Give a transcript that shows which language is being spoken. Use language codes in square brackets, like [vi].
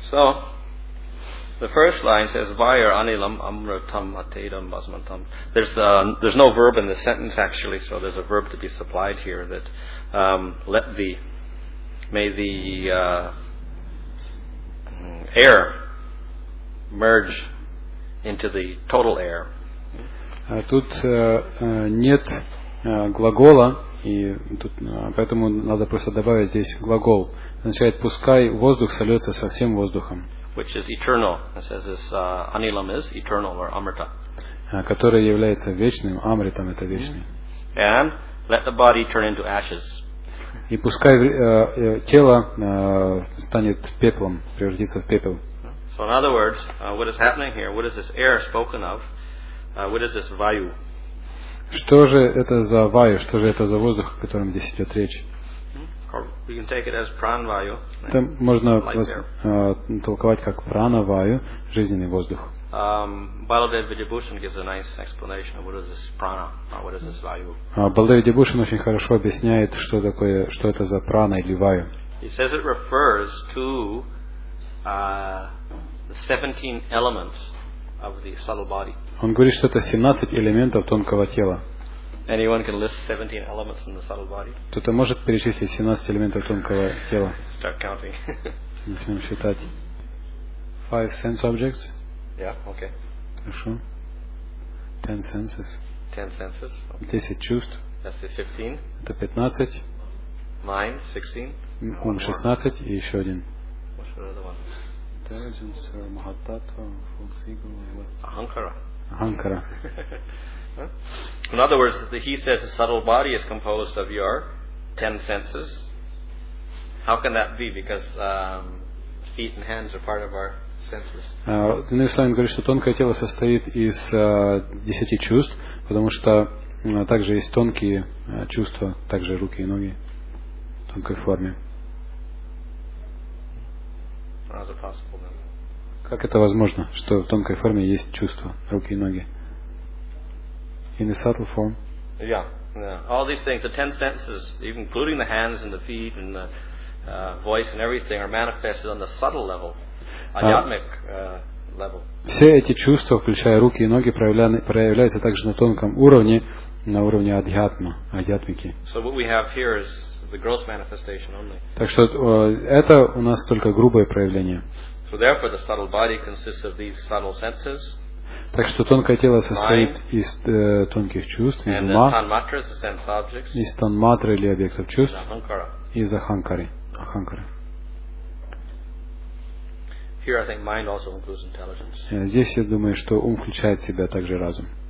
[en] So the first line says [sa] "Vayar anilam amratam atedam basmantam." [en] There's no verb in the sentence actually, so there's a verb to be supplied here that may the air merge into the total air. [ru] Тут нет глагола, и тут поэтому надо просто добавить здесь глагол. Означает пускай воздух сольется со всем воздухом. [en] Which is eternal. It says this anilam is eternal or amrita. [ru] Который является вечным, амритам это вечный. [en] And let the body turn into ashes. [ru] И пускай тело станет пеплом, превратится в пепел. [en] So in other words, what is happening here? What is this air spoken of? What is this vayu? [ru] Что же это за vayu? Что же это за воздух, о котором здесь идет речь? [en] We can take it as pranvayu. [ru] Это можно толковать как прана-вайю, жизненный воздух. [en] Баладев Видибушин gives a nice explanation of what is this prana or what is this vayu. [ru] Баладев Видибушин очень хорошо объясняет, что такое, что это за прана или vayu. [en] He says it refers to the 17 elements of the subtle body. [ru] Он говорит, что это 17 элементов тонкого тела. [en] Anyone can list 17 elements in the subtle body? [ru] Кто-то может перечислить 17 элементов тонкого тела? [en] Start counting. [ru] Начнем считать. [en] Five sense objects? Yeah, okay. [ru] Хорошо. [en] Ten senses? Ten senses. [ru] Okay. 10 чувств? [en] That's 15. [ru] Это 15. [en] Mind, 16. [ru] Ум, 16. И еще один. [en] What's the other one? Intelligence, Mahatattva, Fulsigal, what? Ahankara. Ahankara. In other words, he says the subtle body is composed of your ten senses. How can that be? Because feet and hands are part of our senses. [ru] Дневсайн говорит, что тонкое тело состоит из десяти чувств, потому что также есть тонкие чувства, также руки и ноги в тонкой форме. [en] How is it possible then? [ru] Как это возможно, что в тонкой форме есть чувства, руки и ноги? [en] In a subtle form. Yeah, yeah. All these things, the ten senses, even including the hands and the feet and the voice and everything, are manifested on the subtle level, adhyatmic level. [ru] Все эти чувства, включая руки и ноги, проявляются также на тонком уровне, на уровне адхьятма, адхьятмики. [en] So what we have here is the gross manifestation only. [ru] Так что это у нас только грубое проявление. [en] So therefore, the subtle body consists of these subtle senses. [ru] Так что тонкое тело состоит из тонких чувств, из ума, из танматры или объектов чувств, из аханкары. [en] Here, I think mind also includes intelligence. [ru] Здесь я думаю, что ум включает в себя также разум.